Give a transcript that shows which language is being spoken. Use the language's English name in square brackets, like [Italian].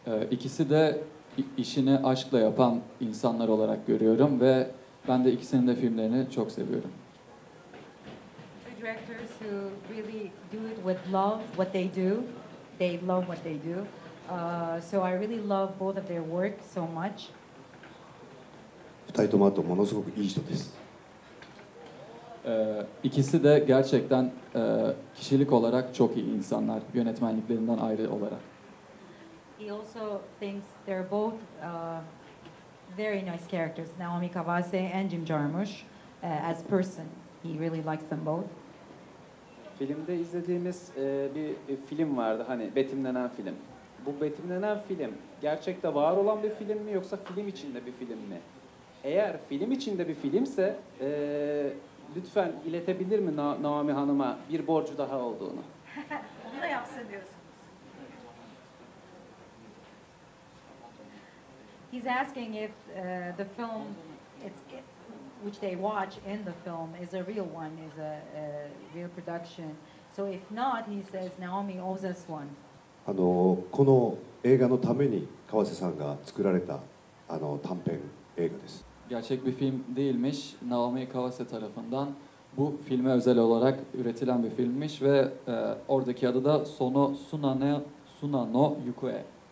[Turkish] İkisi de işini aşkla yapan insanlar olarak görüyorum ve ben de ikisinin de filmlerini çok seviyorum. [English] Two directors who really do it with love, what they do. They love what they do. So I really love both of their work so much. [Japanese] 2人ともあとものすごくいい人です。 [Turkish] İkisi de gerçekten kişilik olarak çok iyi insanlar, yönetmenliklerinden ayrı olarak. [English] He also thinks they're both very nice characters, Naomi Kawase and Jim Jarmusch, as person. He really likes them both. [Turkish] Filmde izlediğimiz bir film vardı, hani betimlenen film. Bu betimlenen film gerçekte var olan bir film mi yoksa film içinde bir film mi? Eğer film içinde bir filmse, lütfen iletebilir mi Naomi Hanım'a bir borcu daha olduğunu? Bunu da yapsın diyorsunuz. [English] He's asking if the film it's, which they watch in the film is a real one, is a real production. So if not, he says Naomi owes us one. [Japanese] この映画のために川瀬さんが作られた短編映画です。 [Turkish] Gerçek bir film değilmiş. Naomi Kawase tarafından bu filme özel olarak üretilen bir filmmiş ve oradaki adı da Sono Tsunane Tsunano Yukue.